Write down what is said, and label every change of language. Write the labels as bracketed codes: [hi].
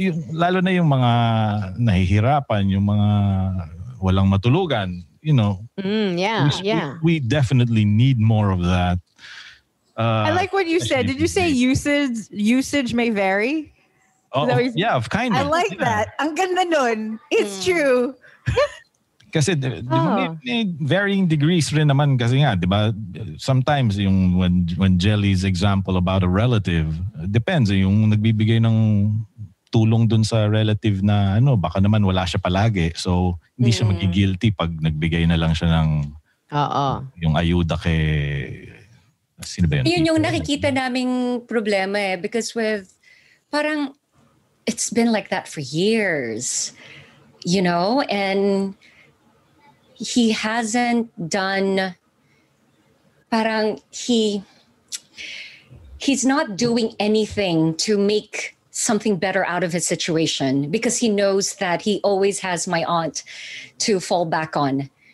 [tl] Lalo na yung mga nahihirapan, yung mga walang matulugan, [en] you know. We definitely need more of that. I like what you said. Did you say usage may vary? Of kindness. I like that. [tl] Ang ganda nun. [en] It's true. [tl] Kasi may varying degrees rin naman kasi nga, di ba? Sometimes yung [en] when Jelly's example about a relative, depends [tl] yung nagbibigay ng tulong dun sa relative na ano, baka naman wala siya palagi. So, hindi siya magigilty pag nagbigay na lang siya ng yung ayuda kay sino ba yun? Yun yung nakikita naming problema eh, [en] because with [tl] parang [en] it's been like that for years, you know? And he hasn't done, [tl] parang [en] he's not doing anything to make something better out of his situation because he knows that he always has my aunt to fall back on.